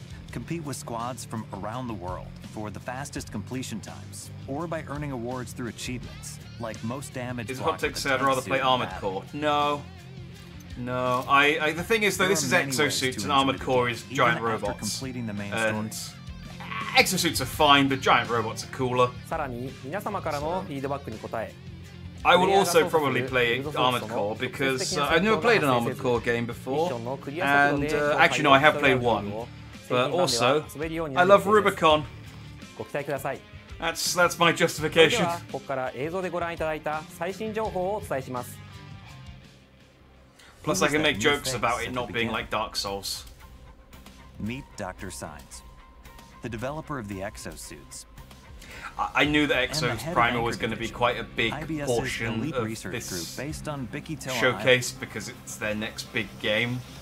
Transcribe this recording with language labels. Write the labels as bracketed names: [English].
[English] Compete with squads from around the world for the fastest completion times, or by earning awards through achievements like most damage. Is it hot to say I'd rather play Armored Core? No. I the thing is though, this is exosuits, and Armored Core is giant robots. Completing the main story. Exosuits are fine, but giant robots are cooler. [Japanese] さらに皆様からのフィードバックに答え、 [English] I would also probably play Armored Core because I've never played an Armored Core game before. And actually, no, I have played one. But also, I love Rubicon. [Japanese] ご期待ください。 [English] That's my justification. [Japanese] それではここから映像でご覧いただいた最新情報をお伝えします。 [English] Plus, I can make jokes about it not being like Dark Souls. Meet Dr. Sines, the developer of the exosuits. I knew that Exos Primer was going to be quite a big portion of this showcase because it's their next big game.